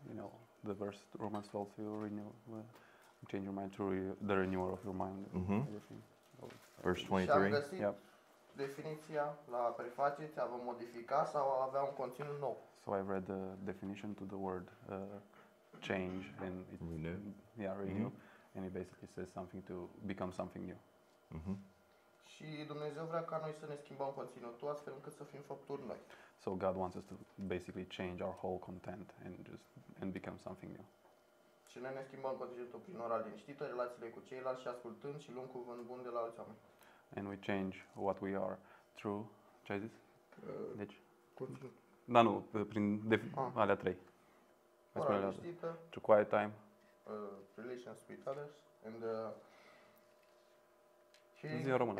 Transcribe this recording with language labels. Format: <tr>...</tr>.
<en>You know, the verse Romans 12 you renew, change your mind to the renewal of your mind. Mm-hmm. Verse 23. Yep.</en> <ro>Definiția la prefaceți, a vă modifica sau a avea un conținut nou.</ro> <en>So I read the definition to the word change and it's renew. Yeah, renew. Mm-hmm. And it basically says something to become something new. Mm-hmm.</en> <ro>Și Dumnezeu vrea ca noi să ne schimbăm conținutul astfel încât să fim făpturi noi.</ro> <en>So God wants us to basically change our whole content and become something new.</en> <ro>Și noi ne schimbăm conținutul prin ora liniștită, relațiile cu ceilalți și ascultând și luând cuvânt bun de la alți oameni.</ro> <en>And we change what we are through,</en> <ro>ce ai zis? Deci, da, nu, prin alea trei. Ora liniștită.</ro> <en>To quiet time. Relations with others. And</en> <ro>zi în română.</ro>